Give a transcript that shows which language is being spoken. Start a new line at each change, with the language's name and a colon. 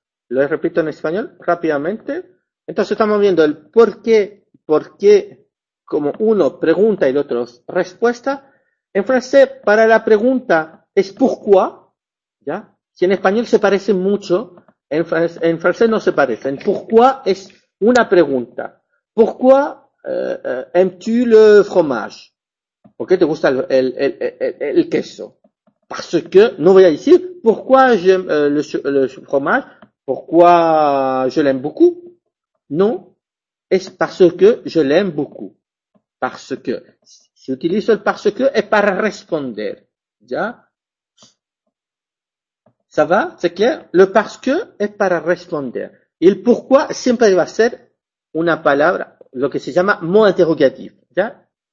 Spanish: Lo repito en español rápidamente. Entonces estamos viendo el por qué, como uno pregunta y el otro respuesta. En francés, para la pregunta es pourquoi, ¿ya? Si en español se parece mucho, en francés no se parece. En pourquoi es una pregunta.
French: Pourquoi aimes-tu le fromage?
Spanish: ¿Por qué te gusta el queso?
French: Parce que,
Spanish: no voy a decir,
French: pourquoi j'aime le fromage? Pourquoi je l'aime beaucoup? Non, es parce que je l'aime beaucoup. Parce que.
Spanish: Si utilizo el parce que es para responder. ¿Ya?
French: ¿Ça va? ¿C'est clair? Le parce que
Spanish: es para responder. Y el pourquoi siempre va a ser una palabra, lo que se llama mot interrogatif. ¿Ya?